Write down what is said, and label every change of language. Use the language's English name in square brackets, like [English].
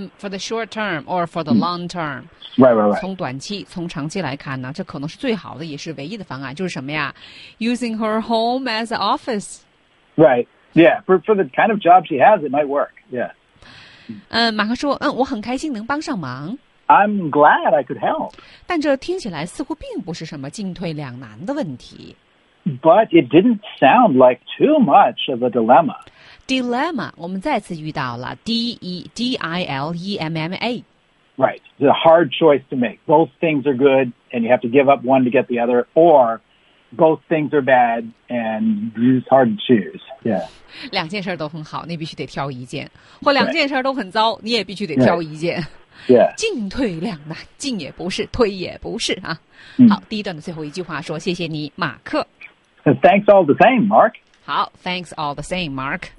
[English] For the short term or for the long term. Right. [Chinese] 从短期从长期来看呢，这可能是最好的，也是唯一的方案。就是什么呀 ？ [English] Using her home as an office. Right. Yeah. For the kind of job she has, it might work. Yeah. [Chinese] 马克说，我很开心能帮上忙。 [English] I'm glad I could help. [Chinese] 但这听起来似乎并不是什么进退两难的问题。 [English] But it didn't sound like too much of a dilemma. [Chinese] Dilemma, 我们再次遇到了 D-E-D-I-L-E-M-M-A. [English] Right, it's a hard choice to make. Both things are good, and you have to give up one to get the other, or both things are bad, and it's hard to choose. Yeah. [Chinese] 两件事都很好，你必须得挑一件；或两件事都很糟，你也必须得挑一件。 [English] Right. Yeah. [Chinese] 进退两难，进也不是，退也不是啊。好，第一段的最后一句话说：“谢谢你，马克。” [English] Thanks all the same, Mark. 好 ，Thanks all the same, Mark.